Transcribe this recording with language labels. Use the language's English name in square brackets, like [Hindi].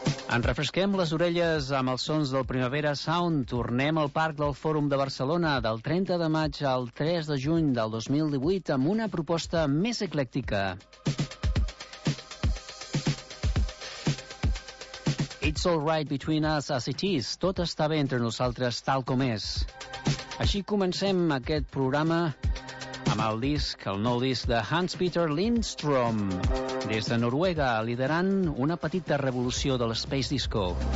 [Catalan] En refresquem les orelles amb els sons del Primavera Sound. Tornem al Parc del Fòrum de Barcelona del 30 de maig al 3 de juny del 2018 amb una proposta més eclèctica. [English] It's all right between us as it is. [Catalan] Tot està bé entre nosaltres tal com és. Així comencem aquest programa amb el disc, el nou disc de Hans-Peter Lindstrom, des de Noruega, liderant una petita revolució de l'Space Disco.